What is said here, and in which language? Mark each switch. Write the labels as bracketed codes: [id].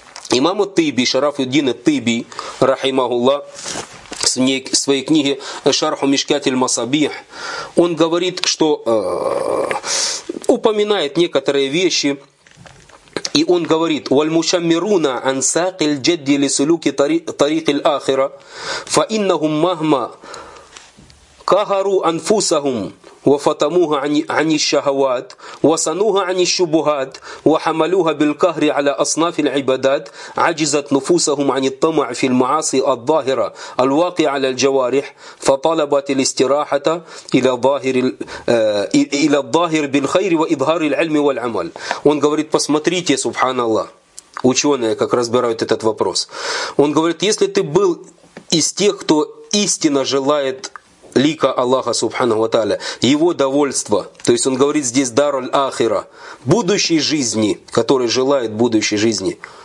[ru] Имам Тыби, Шарафуддин Тыби, рахимахуллах, в своей книге «Шарху Мишкатиль Масабих», он говорит, что упоминает некоторые вещи, и он говорит [ar] «Вальмушаммируна ансакиль джадди лисулюки тарикиль ахира, фа иннахум махма кагару анфусахум». وفتموها عن الشهوات وصنوها عن الشبهات وحملوها بالكهر على أصناف العبادات عجزت نفوسهم عن الطمع في المعاصي الظاهرة الواقع على الجوارح فطلبت الاستراحة إلى الظاهر بالخير وإظهار العلم والعمل. [ru] Он говорит, посмотрите, سبحان الله, ученые как разбирают этот вопрос. Он говорит, если ты был из тех, кто истинно желает лика Аллаха, субханаху ва тааля, его довольство, то есть он говорит здесь дар аль-ахира, будущей жизни, который желает будущей жизни.